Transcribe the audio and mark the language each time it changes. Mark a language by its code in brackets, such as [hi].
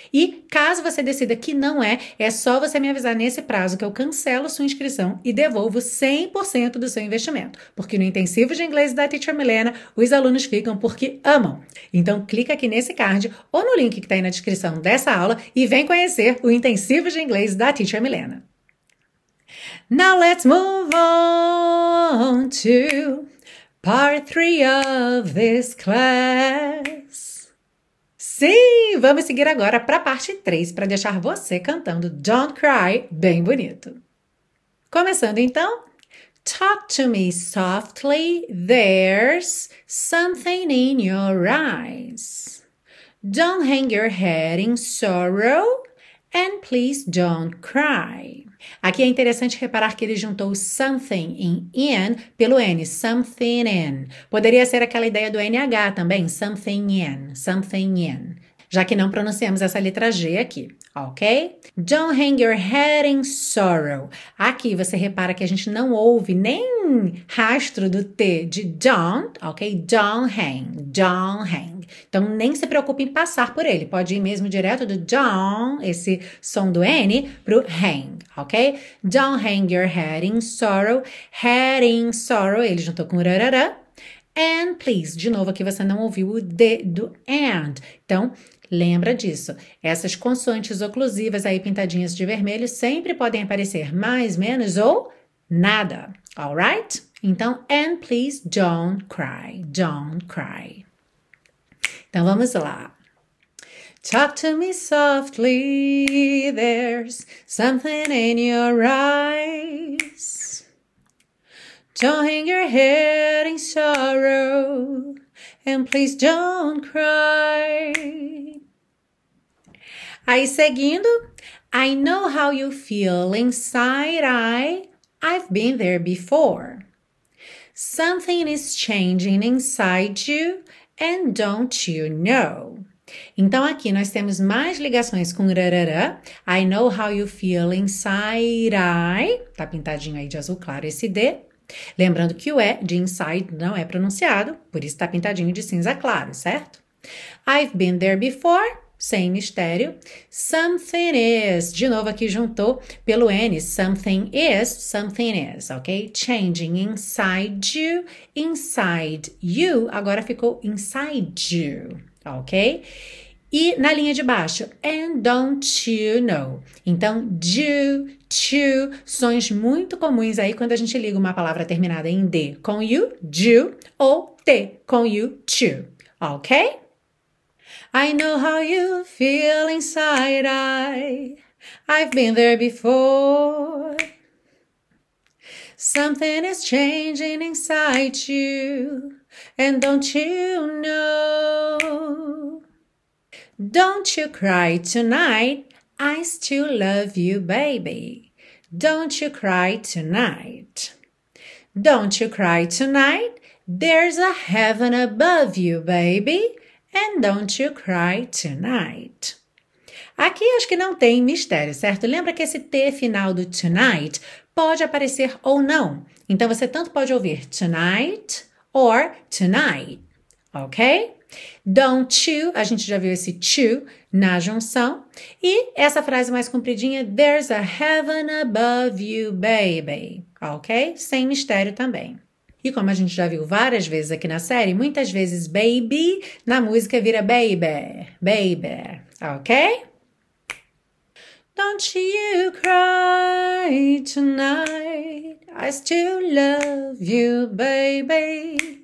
[pt] E caso você decida que não é, é só você me avisar nesse prazo que eu cancelo sua inscrição e devolvo 100% do seu investimento. Porque no intensivo de inglês da Teacher Milena, os alunos ficam porque amam. Então, clica aqui nesse card ou no link que está aí na descrição dessa aula e vem conhecer o intensivo de inglês da Teacher Milena. [en] Now let's move on to part 3 of this class. [pt] Sim, vamos seguir agora para a parte 3 para deixar você cantando Don't Cry bem bonito. Começando então, [en] talk to me softly, there's something in your eyes. Don't hang your head in sorrow. And please don't cry. [pt] Aqui é interessante reparar que ele juntou [en] something in [pt] pelo N, something in. Poderia ser aquela ideia do NH também, [en] something in, something in. [pt] Já que não pronunciamos essa letra G aqui, ok? [en] Don't hang your head in sorrow. [pt] Aqui você repara que a gente não ouve nem rastro do T de don't, ok? [en] Don't hang, don't hang. [pt] Então nem se preocupe em passar por ele. Pode ir mesmo direto do don't, esse som do N, pro hang, ok? [en] Don't hang your head in sorrow. Head in sorrow, [pt] ele juntou com rarará. [en] And please, [pt] de novo aqui você não ouviu o D do and. Então, lembra disso. Essas consoantes oclusivas aí pintadinhas de vermelho sempre podem aparecer mais, menos ou nada. [en] All right? Então, and please don't cry. Don't cry. [pt] Então vamos lá. [en] Talk to me softly, there's something in your eyes. Don't hang your head in sorrow, and please don't cry. [pt] Aí seguindo, [en] I know how you feel inside. I've been there before. Something is changing inside you and don't you know? [pt] Então aqui nós temos mais ligações com rarará. [en] I know how you feel inside. [pt] Tá pintadinho aí de azul claro esse D. Lembrando que o E de inside não é pronunciado, por isso está pintadinho de cinza claro, certo? [en] I've been there before, [pt] sem mistério. [en] Something is, [pt] de novo aqui juntou pelo N. [en] Something is, ok? Changing inside you, inside you, [pt] agora ficou [en] inside you, ok? [pt] E na linha de baixo, [en] and don't you know? [pt] Então, do, to, sons muito comuns aí quando a gente liga uma palavra terminada em D com you, do, ou T com you, to, ok? [en] I know how you feel inside. I've been there before. Something is changing inside you, and don't you know? Don't you cry tonight, I still love you, baby. Don't you cry tonight. Don't you cry tonight, there's a heaven above you, baby. And don't you cry tonight. [pt] Aqui acho que não tem mistério, certo? Lembra que esse T final do tonight pode aparecer ou não. Então você tanto pode ouvir [en] tonight or tonight, [pt] ok? [en] Don't you, [pt] a gente já viu esse to na junção. E essa frase mais compridinha, [en] there's a heaven above you, baby. Ok? [pt] Sem mistério também. E como a gente já viu várias vezes aqui na série, muitas vezes baby na música vira [en] baby, baby. Ok? Don't you cry tonight, I still love you, baby.